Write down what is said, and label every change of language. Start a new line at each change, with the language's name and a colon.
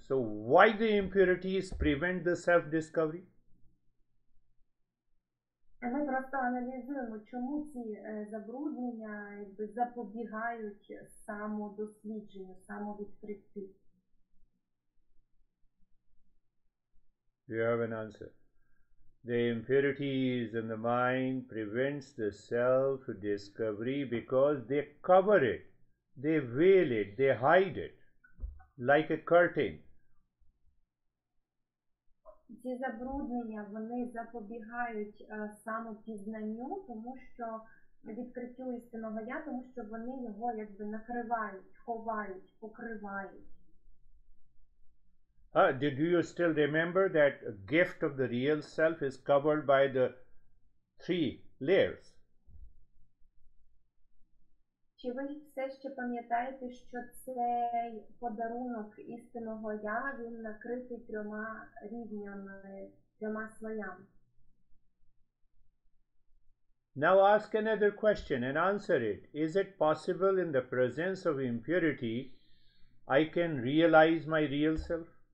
English: So why the impurities prevent the self discovery?
Ukrainian: Ми просто аналізуємо, чому ці забруднення якби запобігають самодослідженню, самовідкритті.
English: You have an answer. The impurities in the mind prevents the self-discovery because they cover it, they veil it, they hide it, like a curtain.
Ukrainian: Ці забруднення, вони запобігають самопізнанню, тому що відкриттю істинного я, тому що вони його якби накривають, ховають, покривають.
English: Did you still remember that gift of the real self is covered by the three layers?
Ukrainian: Чи ви все ще пам'ятаєте, що цей подарунок істинного я, він накритий трьома рівнями, трьома слоями?
English: Now ask another question and answer it. Is it possible in the presence of impurity, I can realize my real self?